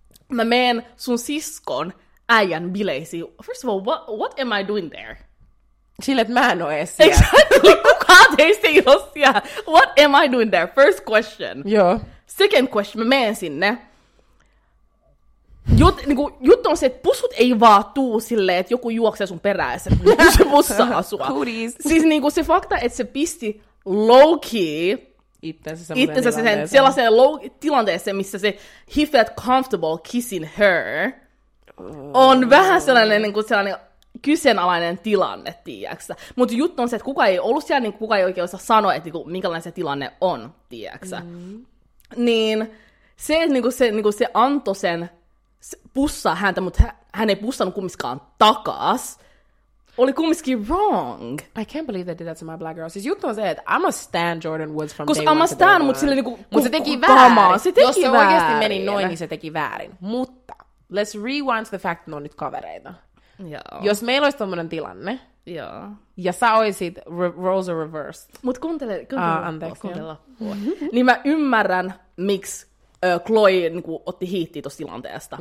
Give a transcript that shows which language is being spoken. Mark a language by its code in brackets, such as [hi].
[fi] Mä meen sun siskon äijän bileisiin. [en] First of all, what am I doing there? [fi] Sille, että mä en oo ees siellä. [en] Exactly. [fi] Kukaan teistä ei oo siellä. [en] What am I doing there? First question. [fi] Joo. [en] Second question, [fi] mä meen sinne. Juttu on se, että pussut ei vaan tuu silleen, että joku juoksee sun perässä, kun se pussaa sua. [en] Cooties. [fi] Siis niinku se fakta, että se pisti low-key itsensä sen tilanteeseen, missä se [en] he felt comfortable kissing her, [fi] on vähän sellainen, niin kuin sellainen kyseenalainen tilanne, tiiäksä. Mutta juttu on se, että kuka ei ollut siellä, niin kuka ei oikein osaa sanoa, että niin kuin, minkälainen se tilanne on, tiiäksä. Mm. Niin se, että niin kuin se antoi sen pussaa häntä, mutta hän ei pussannut kumminkaan takas. Oli kumminkin wrong. [en] I can't believe they did that to my black girl. [fi] Siis juttu on se, että [en] I'm a stan Jordyn Woods from [fi] Koska [en] I'm a stan, [fi] mutta sille niinku... Mutta se teki väärin. Se teki väärin. Jos se oikeasti meni noin, niin se teki väärin. Mutta [en] let's rewind to the fact, [fi] että ne on nyt kavereita. Joo. Jos meillä olisi tommonen tilanne. Joo. Ja sä olisit Rosa reversed. Mut kuuntele. Anteeksi. Kuuntele. Niin mä ymmärrän, miksi Chloe niinku otti hiittiä tosta tilanteesta.